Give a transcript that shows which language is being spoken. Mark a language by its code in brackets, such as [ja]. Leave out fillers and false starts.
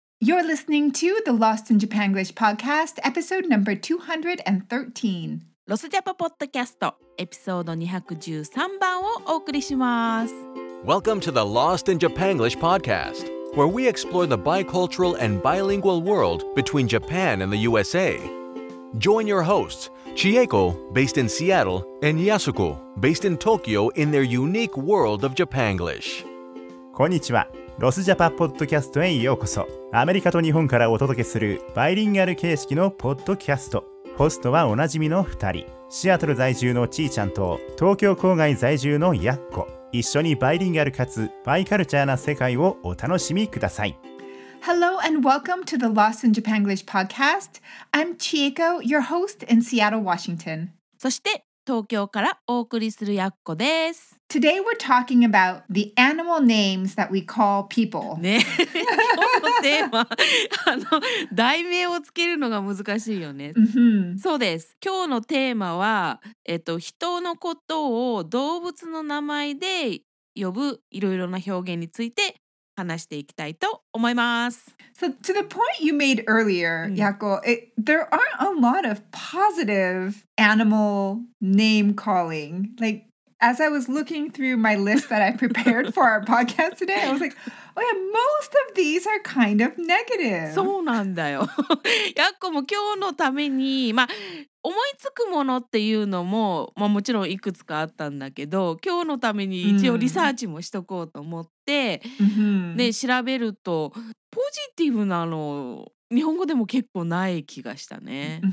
[en] You're listening to the Lost in Japanglish podcast, episode number 213. [ja] ロスジャパポッドキャスト、エピソード213番をお送りします。 [en] Welcome to the Lost in Japanglish podcast, where we explore the bicultural and bilingual world between Japan and the USA. Join your hosts, Chieko, based in Seattle, and Yasuko, based in Tokyo, in their unique world of Japanglish. [ja] こんにちは。ロスジャパポッドキャストへようこそ。アメリカと日本からお届けするバイリンガル形式のポッドキャスト。ホストはおなじみの2人、シアトル在住のちーちゃんと東京郊外在住のやっこ。一緒にバイリンガルかつバイカルチャーな世界をお楽しみください。 [en] Hello and welcome to the Lost in Japanglish podcast. I'm Chieko, your host in Seattle, Washington. [ja] そして東京からお送りするやっこです。 [en] Today we're talking about the animal names that we call people. [ja] ね、今日のテーマ、題名をつけるのが難しいよね。 Mm-hmm. そうです。今日のテーマは、人のことを動物の名前で呼ぶいろいろな表現について話していきたいと思います。 [en] So to the point you made earlier, Yako, there aren't a lot of positive animal name calling, like,As I was looking through my list that I prepared for our podcast today, I was like, oh yeah, most of these are kind of negative. [ja] そうなんだよ。やっこも今日のために、まあ、思いつくものっていうのも、まあ、もちろんいくつかあったんだけど、今日のために一応リサーチもしとこうと思って、ね、調べると、ポジティブなの、日本語でも結構ない気がしたね。